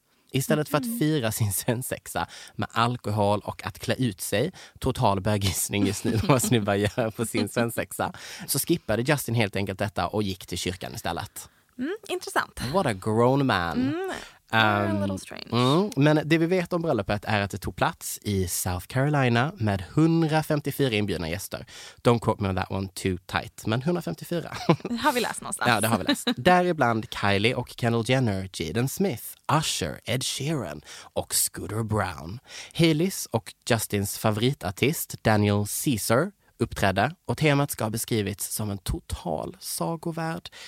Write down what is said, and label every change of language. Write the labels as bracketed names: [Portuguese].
[Swedish] Istället för att fira sin svensexa med alkohol och att klä ut sig, total bögisning just nu vad snubbar gör på sin svensexa, så skippade Justin helt enkelt detta och gick till kyrkan istället. Intressant. [English] What a grown man. A little strange. [Swedish] Men det vi vet om bröllopet är att det tog plats i South Carolina med 154 inbjudna gäster. [English] Don't quote me on that one too tight, [Swedish] men [English] 154. [Swedish] Det har vi läst någonstans. Ja, det har vi läst. Däribland Kylie och Kendall Jenner, Jaden Smith, Usher, Ed Sheeran och Scooter Brown. Haleys och Justins favoritartist Daniel Caesar uppträdde och temat ska ha beskrivits som en total sagovärld.